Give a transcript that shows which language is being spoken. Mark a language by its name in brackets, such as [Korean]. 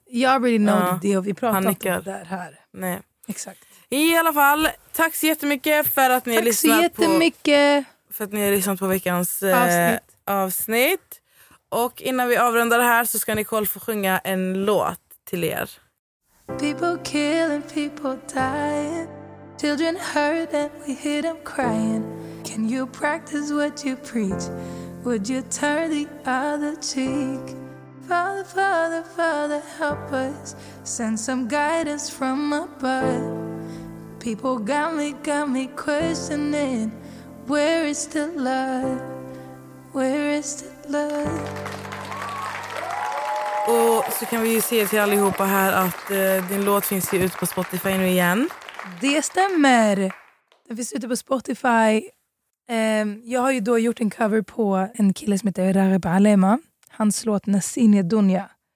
[Swedish] Jag [English] already know the deal. [Swedish] Vi pratade om det där här. Nej. Exakt. I alla fall, tack så jättemycket för att ni tack har lyssnat på... Tack så jättemycket! För att ni har lyssnat på veckans avsnitt. Och innan vi avrundar det här så ska Nicole få sjunga en låt till er. [English] People killing, people dying. Children hurt and we hear them crying. Can you practice what you preach? Would you turn the other cheek? Father, father, father, help us. Send some guidance from above. People got me questioning, where is the love, where is the love? [Swedish] Och så kan vi ju se till allihopa här att din låt finns ju ute på Spotify nu igen. Det stämmer, den finns ute på Spotify. Jag har ju då gjort en cover på en kille som heter Rareb Alema, hans låt Nasinia Dunya.